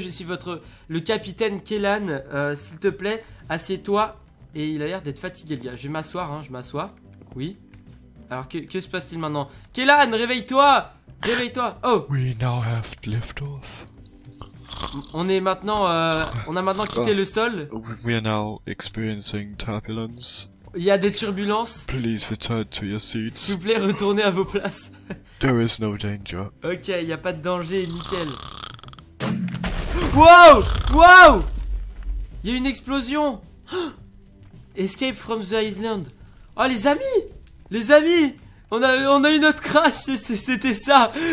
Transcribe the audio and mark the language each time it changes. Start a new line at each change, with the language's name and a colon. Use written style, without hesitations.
French: Je suis votre le capitaine Kellan. S'il te plaît, assieds-toi. Et il a l'air d'être fatigué, le gars. Je vais m'asseoir, hein. Je m'assois. Oui. Alors que se passe-t-il maintenant? Kellan, réveille-toi. Réveille-toi. Oh.
English: We now have liftoff.
French: On est maintenant, on a maintenant quitté le sol.
English: We are now experiencing turbulence.
French: Il y a des turbulences.
English: Please return to your seats.
French: S'il vous plaît, retournez à vos places.
English: There is no danger.
French: Ok, il n'y a pas de danger, nickel. Wow, wow. Il y a une explosion.
English: Escape from the island.
French: Oh les amis, les amis, on a eu notre crash, c'était ça.